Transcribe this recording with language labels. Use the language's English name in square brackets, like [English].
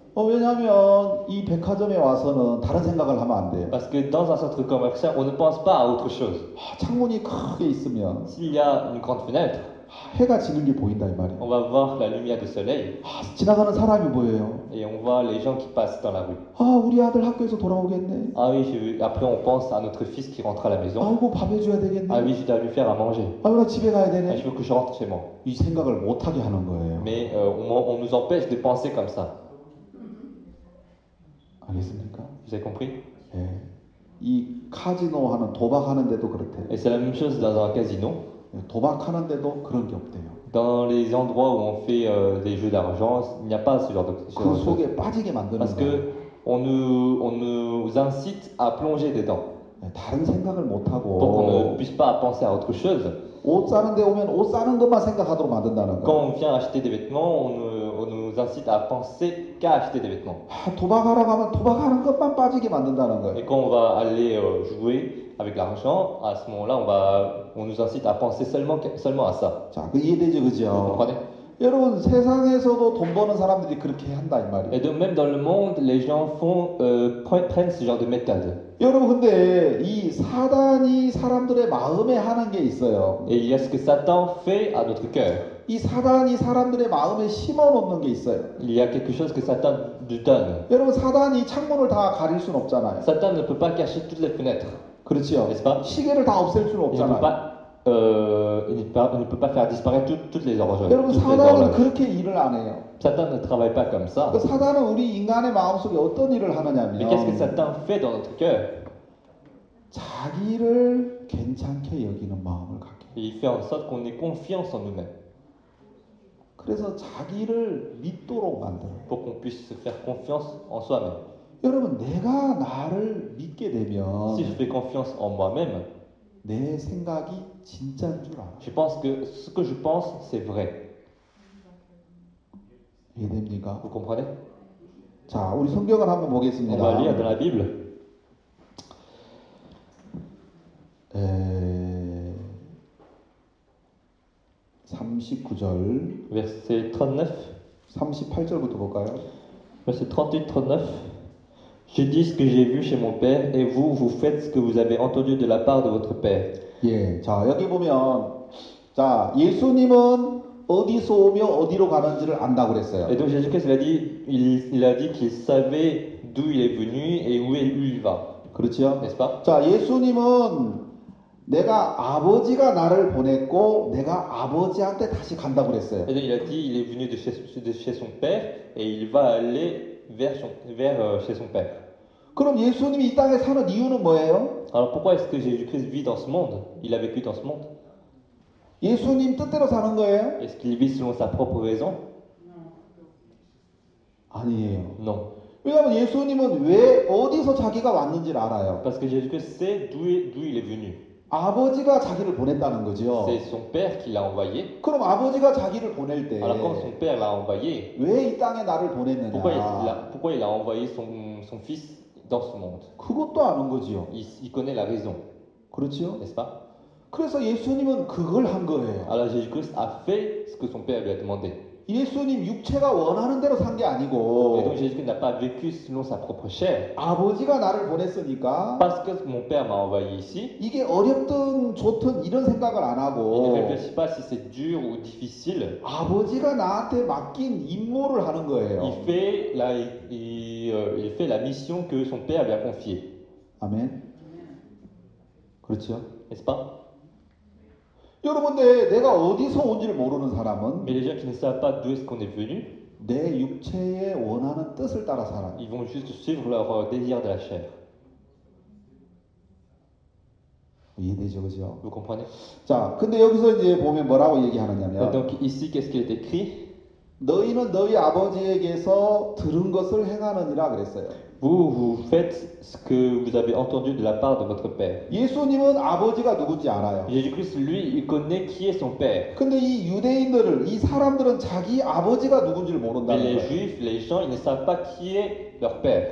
[Korean] 어, 왜냐하면 이 백화점에 와서는 다른 생각을 하면 안 돼요. [French] Parce que dans un centre commercial, on ne pense pas à autre chose. [Korean] 아, 창문이 크게 있으면. [French] S'il y a une grande fenêtre. [Korean] 해가 지는 게 보인다 이 말이에요. [French] On va voir la lumière du soleil. [Korean] 아, 지나가는 사람이 보여요. [French] Et on voit les gens qui passent dans la rue. [Korean] 아, 우리 아들 학교에서 돌아오겠네. [French] Ah oui, après on pense à notre fils qui rentre à la maison. [Korean] 아, 뭐 밥 해줘야 되겠네. [French] Ah oui, je dois lui faire à manger. [Korean] 아, 나 집에 가야 되네. [French] Ah, je veux que je rentre chez moi. [Korean] 이 생각을 못 하게 하는 거예요. [French] Mais on nous empêche de penser comme ça. [Korean] 알겠습니까? [French] Vous avez compris? [Korean] 예. 이 카지노 하는 도박하는 데도 그렇대. [French] Et c'est la même chose dans un casino. [Korean] 도박하는데도 그런 게 없대요. [French] Dans les endroits où on fait des jeux d'argent, il n'y a pas ce genre de [Korean] 그 [French] choses. [Korean] 속에 빠지게 [French] Parce [Korean] 만드는 거예요. [French] que on nous incite à plonger dedans. [Korean] 다른 생각을 못 [French] Pour qu'on ne puisse pas penser à autre chose. [Korean] 옷 사는 데 오면 옷 사는 것만 생각하도록 만든다는 거예요. [French] Quand on vient acheter des vêtements, on nous incite à penser qu'à acheter des vêtements. [Korean] 도박하러 가면 도박하는 것만 빠지게 만든다는 [French] Et quand on va aller jouer avec l'argent, à ce moment-là, on nous incite à penser seulement à ça. [Korean] 거예요. 자, 그 이해되죠, [French] Vous [Korean] 그죠? [French] comprenez? [Korean] 여러분, 세상에서도 돈 버는 사람들이 그렇게 한다, 이 [French] Et de même dans le monde, les gens prennent ce genre de méthode. [Korean] 말이에요. 여러분, 근데 이 사단이 사람들의 마음에 하는 게 있어요. [French] Et il y a ce que Satan fait à notre cœur. [Korean] 이 사단이 사람들의 마음에 심어 놓는 게 있어요. [French] Il y a quelque chose que Satan lui donne. [Korean] 여러분, 사단이 창문을 다 가릴 순 없잖아요. [French] Satan ne peut pas cacher toutes les fenêtres. [Korean] 그렇지요. [French] N'est-ce pas? [Korean] 시계를 다 없앨 수는 없잖아요. [French] Il ne peut pas faire disparaître toutes les horloges, [Korean] 여러분, [French] toutes les [Korean] 사단은 [French] horloges. [Korean] 그렇게 일을 안 해요. [French] Satan ne travaille pas comme ça. [Korean] 사단은 우리 인간의 마음속에 어떤 일을 [French] Mais qu'est-ce que Satan fait dans notre cœur? [Korean] 자기를 괜찮게 여기는 마음을 갖게 [French] Il fait en sorte qu'on ait confiance en nous-mêmes. [Korean] 그래서 자기를 믿도록 만들어요. [French] Pour qu'on puisse faire confiance en soi-même. [Korean] 여러분, 내가 나를 믿게 되면 [French] Si je fais confiance en moi-même, [Korean] 내 생각이 진짜인 줄 알아. [French] Je pense que ce que je pense, c'est vrai. [Korean] 이해됩니까? [French] Vous comprenez? [Korean] 자, 우리 성경을 한번 [French] On va lire de la Bible. [Korean] 보겠습니다. 39절, [French] Verset 39. [Korean] 38절부터 볼까요? [French] Verset 38-39. Je dis ce que j'ai vu chez mon père et vous, vous faites ce que vous avez entendu de la part de votre père. [Korean] 예, 자, 여기 보면, 자, 예수님은 어디서 오며 어디로 가는지를 안다고 그랬어요. [French] Et donc Jésus-Christ il a dit qu'il savait d'où il est venu et où il va. [Korean] 그렇죠? [French] N'est-ce pas? [Korean] 자, 예수님은 내가 아버지가 나를 보냈고 내가 아버지한테 다시 간다고 그랬어요. [French] Et donc il a dit il est venu de chez son père et il va aller chez son père. [Korean] Alors 예수님이 이 땅에 사는 이유는 뭐예요? [French] pourquoi est-ce que Jésus-Christ vit dans ce monde? Il a vécu dans ce monde? [Korean] 예수님 뜻대로 사는 거예요? [French] Est-ce qu'il vit selon sa propre raison? [Korean] 아니에요. [French] Non. [Korean] 왜냐하면 예수님은 왜 어디서 자기가 왔는지를 알아요. [French] Parce que Jésus-Christ sait d'où il est venu. [Korean] 아버지가 자기를 보냈다는 거죠. [French] C'est son père qui l'a envoyé. [Korean] 그럼 아버지가 자기를 보낼 [French] Alors, quand son [Korean] 때 [French] père l'a envoyé, [Korean] 왜이 땅에 나를 보냈느냐? [French] Pourquoi il a envoyé son fils dans ce monde? [Korean] 그것도 아는 거죠. [French] Il connaît la raison. [Korean] 그렇죠? [French] N'est-ce pas? [Korean] 그래서 예수님은 그걸 한 거예요. [French] Alors, Jésus-Christ a fait ce que son père lui a demandé. [Korean] 예수님 육체가 원하는 대로 산게 아니고 [French] Et donc, Jésus-Christ n'a pas vécu selon sa propre chair. [Korean] 아버지가 나를 보냈으니까 [French] Parce que mon père m'a envoyé ici. [Korean] 이게 어렵든 좋든 이런 생각을 안 [French] Il ne réfléchit pas si c'est dur ou difficile. [Korean] 아버지가 나한테 맡긴 임무를 하는 거예요. [French] Il fait la mission que son père lui a confiée. [Korean] 아멘. 그렇죠? [French] N'est-ce pas? [Korean] 여러분들 내가 어디서 온지를 모르는 사람은 [French] Mais les gens qui ne savent pas d'où est-ce qu'on est venu, [Korean] 내 육체의 원하는 뜻을 따라 살아. [French] Ils vont juste suivre leur désir de la chair. [Korean] 이해되죠, 그죠? [French] Vous comprenez? [Korean] 자, 근데 여기서 이제 보면 뭐라고 얘기하느냐면 [French] Et donc ici qu'est-ce qu'il est écrit? [Korean] 너희는 너희 아버지에게서 들은 것을 행하느니라 그랬어요. [French] Vous faites ce que vous avez entendu de la part de votre père. [Korean] 예수님은 아버지가 누구지 알아요. [French] Jésus-Christ, lui, il connaît qui est son père. [Korean] 근데 이 유대인들을, 이 사람들은 자기 아버지가 누군지를 모른다는 [French] Mais [Korean] 거예요. [French] Les juifs, les gens, ils ne savent pas qui est leur père.